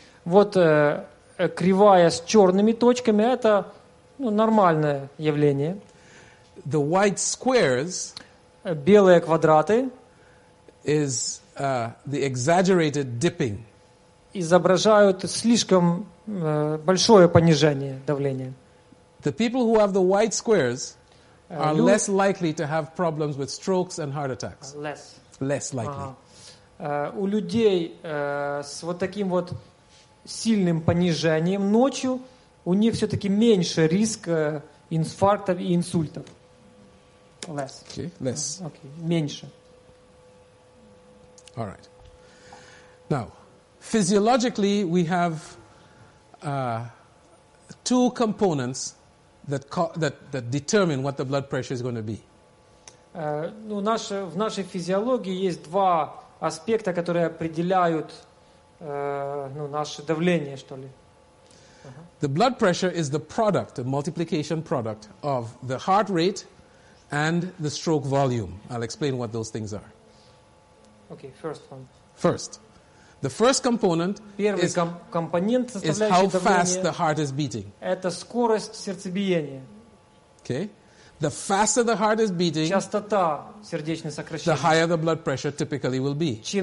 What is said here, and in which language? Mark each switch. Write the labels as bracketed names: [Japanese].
[Russian] Вот кривая с черными точками – это нормальное явление. [English] The white squares, [Russian] белые квадраты, [English] is the exaggerated dipping. [Russian] Изображают слишком большое понижение давления. [English] The people who have the white squares are less likely to have problems with strokes and heart attacks. Less likely. [Russian] У людей с вот таким вот сильным понижением ночью у них все-таки меньше риск инфарктов и инсультов. [English] Less. Okay. Less. Okay. [Russian] Меньше. [English] All right. Now, physiologically, we have two components that determine what the blood pressure is going to be. [Russian] В нашей физиологии есть два аспекта, которые определяют наше давление, что ли. [English] The blood pressure is the product, the multiplication product of the heart rate and the stroke volume. I'll explain what those things are. Okay, first one. First. The first component is how fast the heart is beating. [Russian] Это скорость сердцебиения. [English] Okay. The faster the heart is beating, [Russian] частота сердечных сокращений, [English] the higher the blood pressure typically will be.